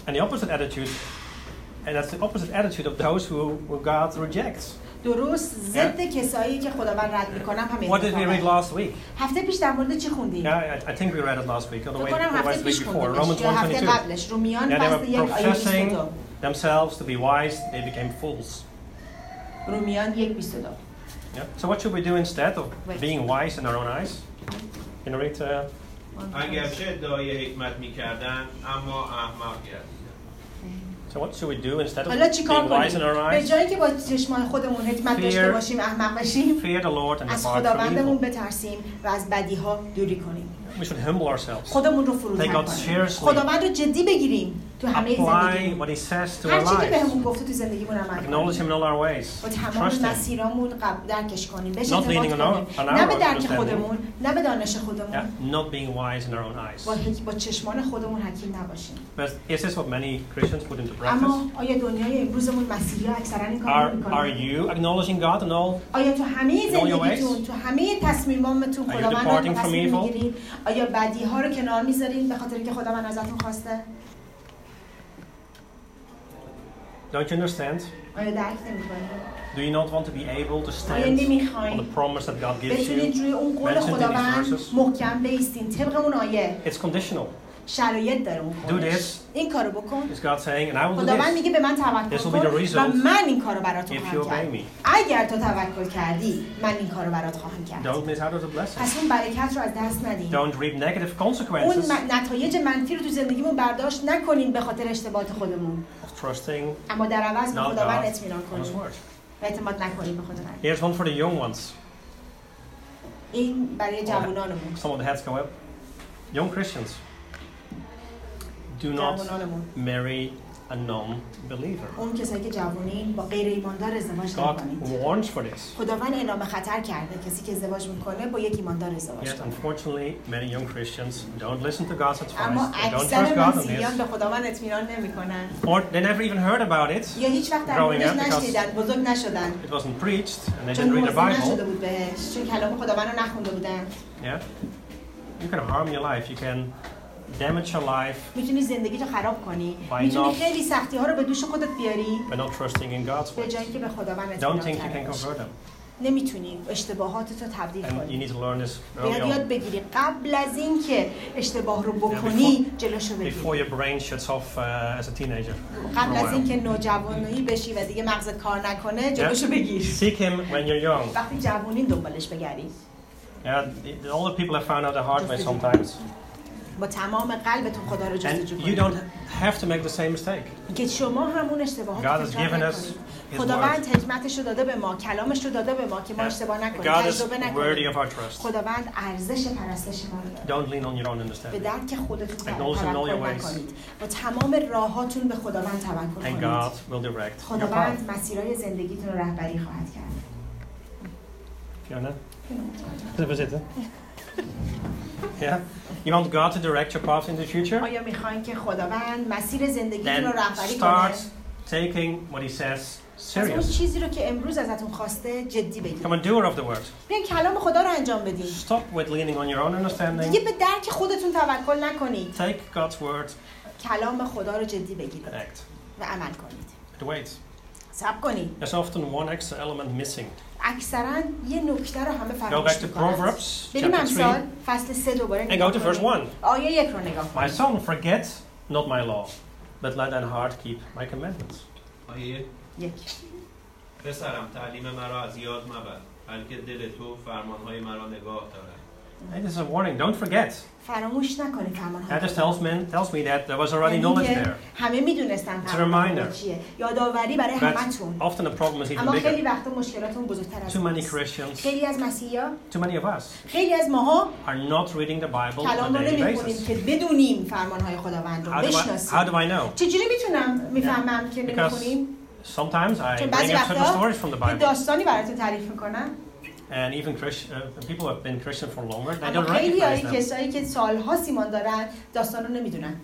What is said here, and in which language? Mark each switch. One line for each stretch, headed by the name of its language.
English: And the opposite attitude, and that's the opposite attitude of those who God rejects.
Persian: درست ضد کسایی که خداوند رد میکنم همین.
English: What did we read last week?
Persian: هفته پیش در مورد چی خوندیم؟
English: Yeah, I think we read it last week. The last week before Romans 1:22.
Persian: هفته قبلش رومیان فصل 1 آیه 22.
English: Themselves to be wise, they became fools.
Persian: رومیان 1:22.
English: Yeah. So what should we do instead of being wise in our own eyes? In order to
Persian: اگرچه ادعای حکمت میکردن اما احمق گردید.
English: So what should we do instead of being wise in our eyes?
Persian: به جایی که با چشمان خودمون حکمت داشته باشیم احمق بشیم.
English: Fear the Lord and
Persian: از خداوندمون بترسیم و از بدی ها دوری کنیم.
English: We should humble ourselves.
Persian: خودمون رو فروتن کنیم. خداوند رو جدی بگیریم تو همه زندگی.
English: Apply what he says to our lives.
Persian: هر چیزی که بهمون گفته تو زندگیمون عمل کنیم.
English: Acknowledge him in all our ways.
Persian: و تمام مسیرامون قبل درکش کنیم.
English: Not leaning on our own.
Persian: نه به درک خودمون، نه به دانش خودمون.
English: Yeah. Not being wise in our own eyes.
Persian: با چشمان خودمون حکیم نباشیم.
English: But is this what many Christians put into practice?
Persian: اما آیا دنیای امروزمون مسیحی ها اکثرا این کارو میکنن؟
English: Are you acknowledging God in all?
Persian: آیا تو همه زندگیتون، تو همه تصمیماتتون خداوند رو تصمیم میگیری؟ آیا بدی ها رو کنار میذارین به خاطر اینکه خداوند ازتون خواسته؟
English: Don't you understand?
Persian: آیا درک نمی‌کنی؟
English: Do you not want to be able to stand on the promise that God gives you?
Persian: بتونید روی اون قول خداوند محکم بایستین طبق اون آیه.
English: It's conditional.
Persian: شرایط داره اون قول.
English: Do this.
Persian: این کارو بکن.
English: Is God saying, and I will do this.
Persian: خداوند میگه به من توکل کن و من این کارو برات خواهم کرد.
English: If you obey me.
Persian: اگر تو توکل کردی من این کارو برات خواهم کرد.
English: Don't miss out on the blessing.
Persian: پس اون برکت رو از دست ندین.
English: Don't reap negative consequences.
Persian: اون نتایج منفی رو تو زندگیمون برداشت نکنیم به خاطر اشتباهات خودمون.
English: Trusting.
Persian: اما در عوض به خداوند اطمینان کنیم. اعتماد نکنیم به خداوند.
English: Here's one for the young ones.
Persian: این برای جوانانمون.
English: Some of the heads go up. Young Christians. Do not marry a non-believer.
Persian: اون کسایی که جوانین با غیر ایماندار ازدواج نکنید.
English: God warns for this.
Persian: خداوند اعلام خطر کرده کسی که ازدواج میکنه با یک ایماندار ازدواج کنه.
English: Yet unfortunately, many young Christians don't listen to God's advice.
Persian: اما اکثر مسیحیان به خداوند اطمینان نمیکنن.
English: Or they never even heard about it.
Persian: یا هیچ وقت در موردش نشنیدن، بزرگ نشدن.
English: It wasn't preached and they didn't read the Bible.
Persian: چون کلام خداوند رو نخونده بودن.
English: Yeah. You can harm your life. You can damage your life.
Persian: میتونی زندگی تو خراب کنی. میتونی خیلی سختی ها رو به دوش خودت بیاری.
English: By not trusting in God's word.
Persian: به جایی که به خداوند اطمینان داری.
English: Don't think you can convert them.
Persian: نمیتونی اشتباهاتت رو تبدیل کنی.
English: And you need to learn this early on.
Persian: یاد بگیری قبل از اینکه اشتباه رو بکنی جلوشو بگیری.
English: Before your brain shuts off as a teenager.
Persian: قبل از اینکه نوجوانی بشی و دیگه مغزت کار نکنه جلوشو بگیر.
English: Seek him when you're young.
Persian: وقتی جوانی دنبالش بگردی.
English: Yeah, the older people have found out the hard way sometimes.
Persian: با تمام قلبتون خدا رو جستجو کنید. You don't have to make the same mistake. که شما همون اشتباهات رو تکرار نکنید. خداوند حکمتش رو داده به ما، کلامش رو داده به ما که ما اشتباه نکنیم، تجربه نکنیم. خداوند ارزش پرستش ما رو داره.
English: Don't lean on your own understanding.
Persian: به درک خودتون توکل کنید. با تمام راهاتون به خداوند توکل کنید.
English: And God will direct.
Persian: خداوند مسیرهای زندگیتون رو رهبری خواهد کرد.
English: Fiona. Can I visit? Yeah. You want God to direct your path in the future?
Persian: آیا می‌خواید که خداوند مسیر زندگیتون رو رهبری کنه؟
English: Start taking what he says.
Persian: اون چیزی رو که امروز ازتون خواسته جدی بگیرید.
English: Come on, doer of the word.
Persian: بیاین کلام خدا رو انجام بدین.
English: Stop with leaning on your own understanding.
Persian: دیگه به درک خودتون توکل نکنید.
English: Take God's word.
Persian: کلام خدا رو جدی بگیرید.
English: Act.
Persian: و عمل کنید.
English: And wait.
Persian: صبر کنید.
English: There's often one extra element missing.
Persian: اکثرا یه نکته رو همه فراموش می‌کنن.
English: Go back to Proverbs chapter 3.
Persian: فصل 3 دوباره نگاه کنید.
English: And go to verse 1.
Persian: آیه 1 رو نگاه کنید.
English: My son, forget not my law, but let thine heart keep my commandments.
Persian: یک. پسرم تعلیم مرا از یاد مبر، بلکه دل تو فرمانهای مرا نگاه دارد.
English: Hey, this is a warning. Don't forget.
Persian: فراموش نکنید فرمان.
English: That just tells me that there was already knowledge there.
Persian: همه میدونستن.
English: It's a reminder.
Persian: یادآوری برای همتون.
English: Often the problem is even bigger.
Persian: اما خیلی وقتا مشکلاتون بزرگتر از
English: Too many Christians.
Persian: خیلی از مسیحیا.
English: Too many of us.
Persian: خیلی از ماها.
English: Are not reading the Bible on a daily basis.
Persian: که بدونیم فرمانهای خداوند رو بشناسیم.
English: How do I know?
Persian: چجوری میتونم میفهمم که نمیخونیم؟
English: Sometimes I bring up certain stories from the Bible.
Persian: داستانی براتون تعریف میکنم.
English: And even Christian people have been Christian for longer. They
Persian: اما
English: don't recognize them.
Persian: خیلی کسایی که سالها سیمان دارن داستان رو نمیدونن.